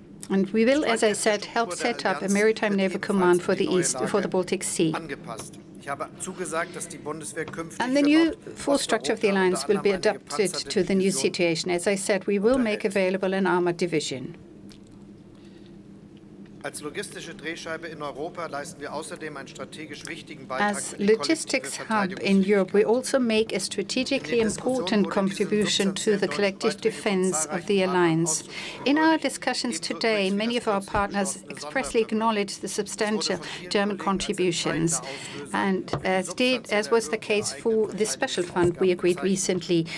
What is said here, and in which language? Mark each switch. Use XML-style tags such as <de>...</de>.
<en>And we will, as I said, help set up a maritime naval command for the East, for the Baltic Sea. And the new force structure of the alliance will be adapted to the new situation. As I said, we will make available an armored division.</en> <de>Als logistische Drehscheibe in Europa leisten wir außerdem einen strategisch wichtigen Beitrag.</de> <en>As logistics hub in Europe, we also make a strategically important contribution to the collective defense of the alliance. In our discussions today, many of our partners expressly acknowledged the substantial German contributions, and as was the case for the special fund we agreed recently.</en>